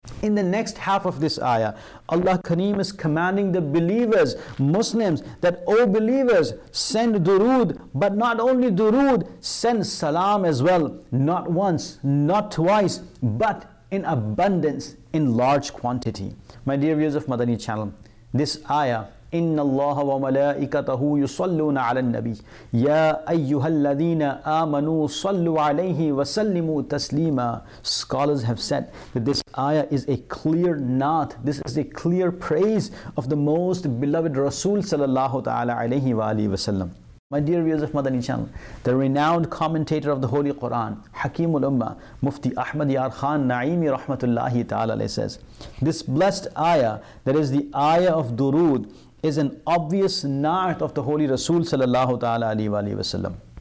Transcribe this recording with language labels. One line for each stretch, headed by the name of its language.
English: In the next half of this ayah, Allah Kareem is commanding the believers, Muslims, that O believers, send durood, but not only durood, send salam as well, not once, not twice, but in abundance, in large quantity. My dear viewers of Madani Channel, this ayah,
Arabic: إن الله وملائكته يصلون على النبي يا أيها الذين آمنوا صلوا عليه وسلموا تسليما.
English: Scholars have said that this ayah is a clear naat, this is a clear praise of the most beloved Rasul sallallahu ta'ala alayhi wa alihi wa sallam. My dear viewers of Madani Channel, the renowned commentator of the Holy Quran, Hakim ul-Ummah, Mufti Ahmad Yar Khan Naimi rahmatullahi ta'ala alayhi, says, this blessed ayah, that is the ayah of durood, is an obvious na'at of the Holy Rasul sallallahu ta'ala alayhi wa sallam.